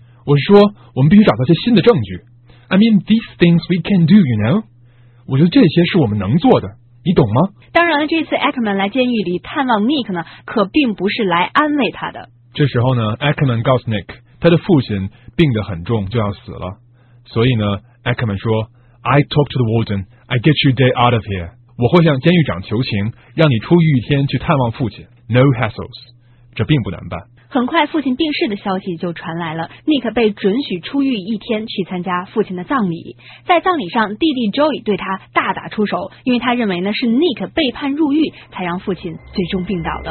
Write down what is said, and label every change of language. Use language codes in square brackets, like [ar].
[zh] 我是说，我们必须找到一些新的证据。 [en] I mean, these things we can do, you know? [zh] 我觉得这些是我们能做的，你懂吗？当然了，这次 Ackerman 来监狱里探望 Nick 呢，可并不是来安慰他的。这时候呢， Ackerman 告诉 Nick， 他的父亲病得很重，就要死了。所以呢， [en] Ackerman 说， I talk to the warden, I get you day out of here. [zh] 我会向监狱长求情，让你出狱一天去探望父亲。 [en] No hassles. [zh] 这并不难办。很快父亲病逝的消息就传来了， Nick 被准许出狱一天去参加父亲的葬礼。在葬礼上，弟弟 Joey 对他大打出手，因为他认为呢是 Nick 背叛入狱才让父亲最终病倒的。